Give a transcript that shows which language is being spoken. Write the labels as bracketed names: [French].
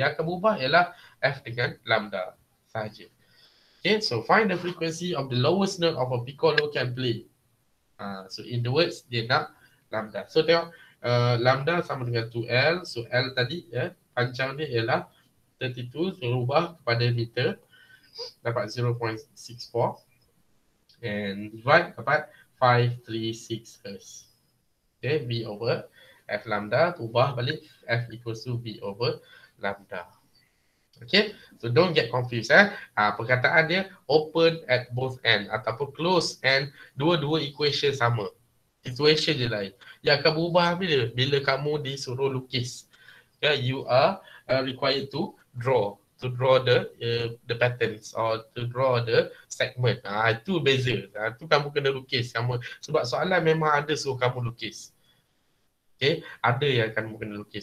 [Malay] Yang akan berubah ialah F dengan lambda sahaja. Okay. [English] So find the frequency of the lowest note of a piccolo can play. So in the words, [Malay] dia nak lambda. So tengok lambda sama dengan 2L. So L tadi panjang dia ialah 32. Berubah kepada meter. Dapat 0.64. [English] And divide [Malay] dapat [English] 536 Hz. Okay, V over F lambda, [Malay] ubah balik, [English] F equals to V over lambda. Okay, so don't get confused [Malay] perkataan dia [English] open at both end [Malay] ataupun [English] close end, [Malay] dua-dua [English] equation [Malay] sama. [English] Situation [Malay] dia lain. Dia akan berubah bila? Bila kamu disuruh lukis. [English] Yeah, you are required to draw. To draw the the patterns or to draw the segment. [Malay] Ah, itu beza. Ah, itu kamu kena lukis. Kamu sebab soalan memang ada suruh kamu lukis. Okay, ada yang kamu kena lukis.